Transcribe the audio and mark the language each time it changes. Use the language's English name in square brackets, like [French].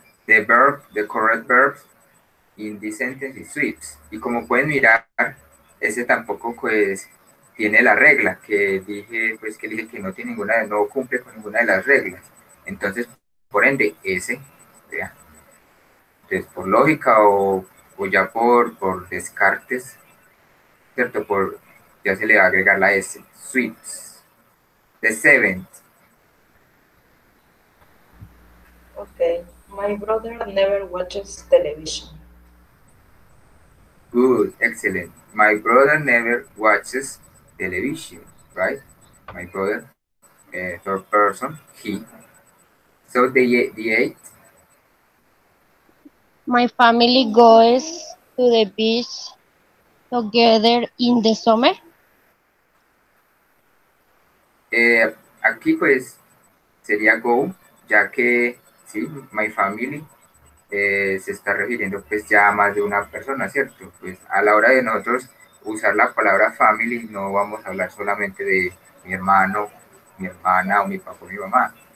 [English] The correct verb in this sentence is sweeps. [Spanish] Y como pueden mirar, ese tampoco pues tiene la regla que dije, pues que dije que no tiene ninguna, no cumple con ninguna de las reglas. Entonces, por ende, ese, vea. Entonces, por lógica o ya por descartes, ¿cierto? Por ya se le va a agregar la S. [English] Sweeps. The seventh. Okay. My brother never watches television. Good, excellent. My brother never watches television, right? My brother, third person, he. So the eighth. My family goes to the beach together in the summer. [Spanish] Aquí pues sería go, ya que sí, my family se está refiriendo pues ya a más de una persona, ¿cierto? Pues a la hora de nosotros usar la palabra family, no vamos a hablar solamente de mi hermano, mi hermana, o mi papá, o mi mamá.